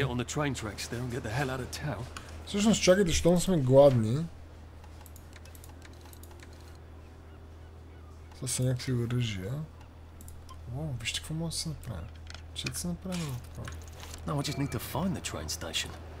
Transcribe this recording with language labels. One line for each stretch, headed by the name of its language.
English: Get on the train tracks there and get the hell out of town.
Bulgarian: Всъщност, чакайте, щом сме гладни. Това са някакви оръжия. О, вижте какво може да се направи. Че да се направи на това?
English: No, I just need to find the train station.